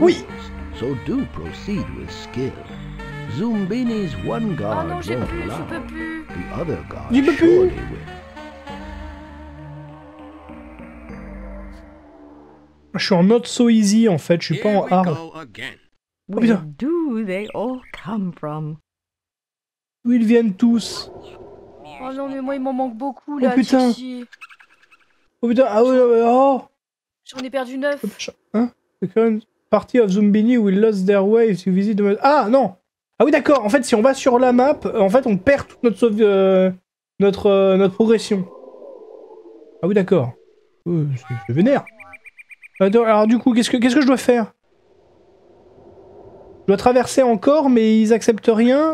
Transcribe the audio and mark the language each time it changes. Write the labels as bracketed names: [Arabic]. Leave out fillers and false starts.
[French] Oui ! [English] So do proceed with skill. Zumbini's one guard. [French] Oh non, je peux plus. [English] The other guard. [French] J'y peux plus. Je suis en [English] not so easy [French] en fait, je suis pas en hard. [English] Where do they all come from? [French] Où ils viennent tous? Oh non, mais moi il m'en manque beaucoup là. Oh putain. Oh putain, ah ouais, oh. J'en ai perdu 9. Hein? [English] The current party of Zumbini will lose their way if you visit the... [French] Ah non. Ah oui, d'accord. En fait, si on va sur la map, en fait, on perd toute notre notre progression. Ah oui, d'accord. C'est vénère. Attends, alors du coup, qu'est-ce que je dois faire? Je dois traverser encore, mais ils acceptent rien.